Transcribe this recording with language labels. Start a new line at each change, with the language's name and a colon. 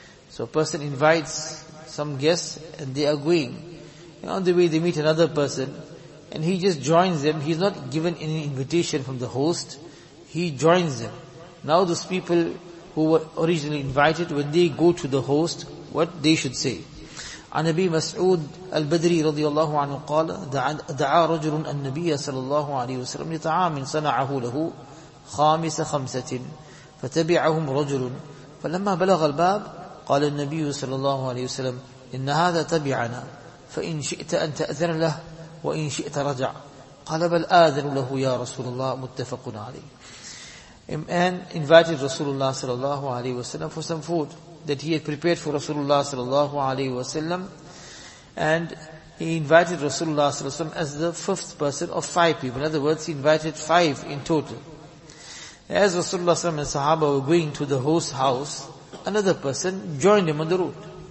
English: So a person invites some guests and they are going. And on the way they meet another person and he just joins them. He's not given any invitation from the host. He joins them. Now those people who were originally invited, when they go to the host, what they should say.
Arabic: عن أبي مسعود البدري رضي الله عنه قال دعا رجل النبي صلى الله عليه وسلم لطعام صنعه له خامس خمسة فتبعهم رجل فلما بلغ الباب قال النبي صلى الله عليه وسلم إن هذا تبعنا فإن شئت أن تأذن له وإن شئت رجع قال بل آذن له يا رسول الله متفق عليه.
English: A man invited Rasulullah sallallahu alayhi wa sallam for some food that he had prepared for Rasulullah sallallahu alayhi wa sallam, and he invited Rasulullah sallallahu alayhi wa sallam as the fifth person of five people. In other words, he invited five in total. As Rasulullah sallallahu alayhi wa sallam and Sahaba were going to the host house, another person joined him on the route.